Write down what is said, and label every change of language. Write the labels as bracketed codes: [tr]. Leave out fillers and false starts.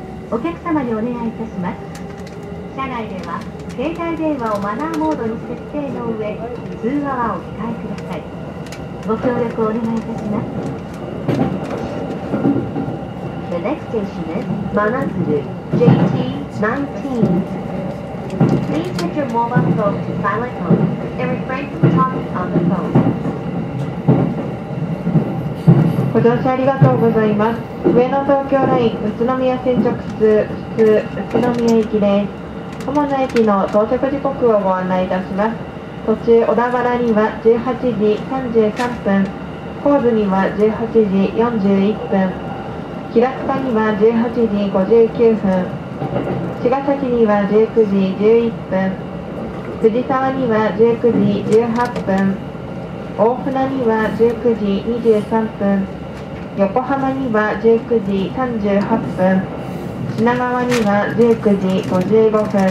[ja] お客様にお願いいたします。車内では携帯電話をマナーモードに設定の上通話はお控えください。ご協力をお願いいたします。 [en] The next station is Manazuru, JT-19. Please set your mobile phone to silent mode and refrain from talking on the phone. [ja] ご乗車ありがとうございます。上野東京ライン宇都宮線直通普通宇都宮行きです。主な駅の到着時刻をご案内いたします。途中小田原には18時33分、神津には18時41分、平塚には18時59分、茅ヶ崎には19時11分、藤沢には19時18分、大船には19時23分、横浜には19時38分、品川には19時55分、